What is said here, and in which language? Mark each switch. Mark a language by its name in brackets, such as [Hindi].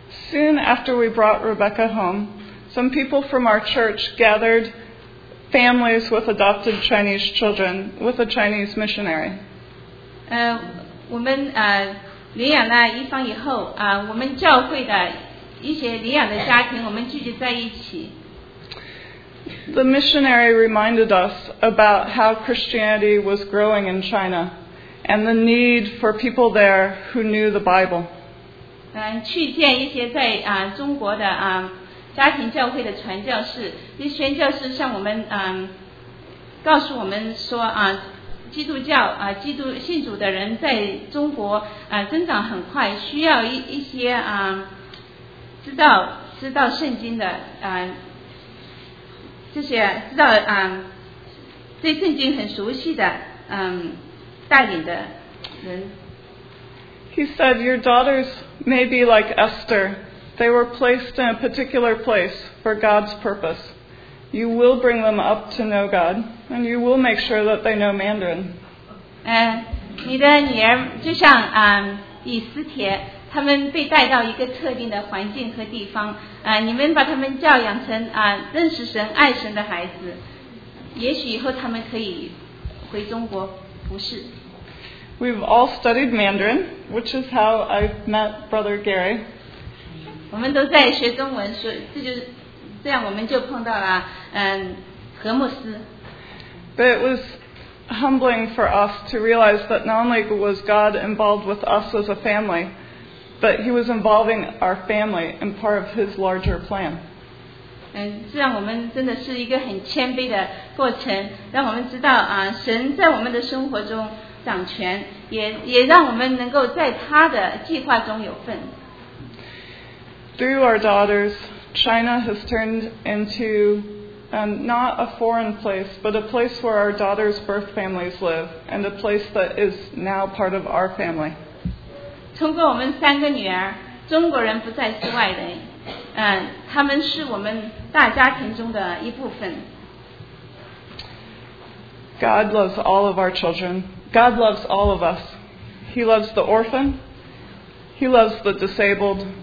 [English] Soon after we brought Rebecca home, some people from our church gathered families with adopted Chinese children with a Chinese missionary. [Chinese] 我们领养了一方以后，我们教会的一些领养的家庭，我们聚集在一起。 [English] The missionary reminded us about how Christianity was growing in China and the need for people there who knew the Bible. [Chinese] 去见一些在中国的家庭教会的传教士，那宣教士向我们告诉我们说基督教基督信主的人在中国增长很快，需要一些知道圣经的这些知道对圣经很熟悉的带领的人。 [English] He said, "Your daughters may be like Esther. They were placed in a particular place for God's purpose. You will bring them up to know God, and you will make sure that they know Mandarin." [Chinese] 你的女儿就像以斯帖，他们被带到一个特定的环境和地方。你们把他们教养成认识神、爱神的孩子。也许以后他们可以回中国服侍。 [English] We've all studied Mandarin, which is how I met Brother Gary. [Chinese] 我们都在学中文，所以这样我们就碰到了何牧师。 [English] But it was humbling for us to realize that not only was God involved with us as a family, but He was involving our family in part of His larger plan. [Chinese] 这让我们真的是一个很谦卑的过程，让我们知道神在我们的生活中掌权，也让我们能够在他的计划中有份。 [English] Through our daughters, China has turned into not a foreign place, but a place where our daughters' birth families live, and a place that is now part of our family. [Chinese] 通过我们三个女儿，中国人不再是外人，他们是我们大家庭中的一部分。 [English] God loves all of our children. God loves all of us. He loves the orphan. He loves the disabled.